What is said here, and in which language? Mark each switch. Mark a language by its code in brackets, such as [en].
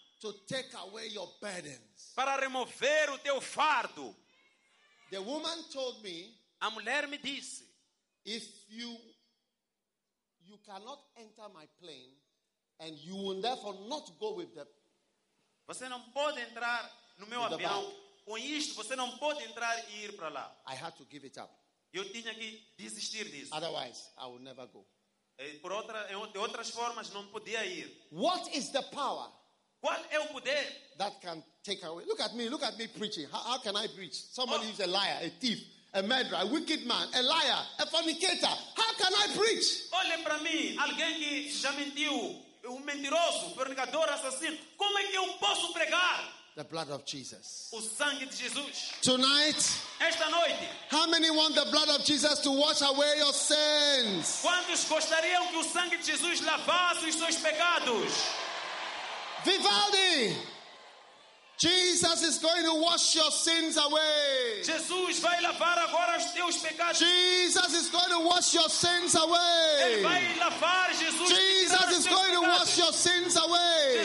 [en] to take away your burdens. [pt] Para remover o teu fardo. [en] The woman told me, [pt] a mulher me disse, [en] if you cannot enter my plane and you will therefore not go with the, [pt] você não pode entrar no meu avião. Com isto você não pode entrar e ir para lá. [en] I had to give it up. [pt] Eu tinha que desistir disso. [en] Otherwise, I would never go. [pt] De outras formas não podia ir. [en] What is the power? [pt] Qual é o poder? [en] That can take away. Look at me preaching. How can I preach? Somebody is a liar, a thief, a murderer, a wicked man, a liar, a fornicator. How can I preach? [pt] Olhe para mim, alguém que já mentiu, um mentiroso, fornicador, assassino. Como é que eu posso pregar? [en] The blood of Jesus. [pt] O sangue de Jesus. [en] Tonight. [pt] Esta noite. [en] How many want the blood of Jesus to wash away your sins? [pt] Quantos gostariam que o sangue de Jesus lavasse os seus pecados? Vivaldi! [en] Jesus is going to wash your sins away. [pt] Jesus vai lavar agora os teus pecados. [en] Jesus is going to wash your sins away. [pt] Ele vai lavar, Jesus. [en] Jesus is going to wash your sins away.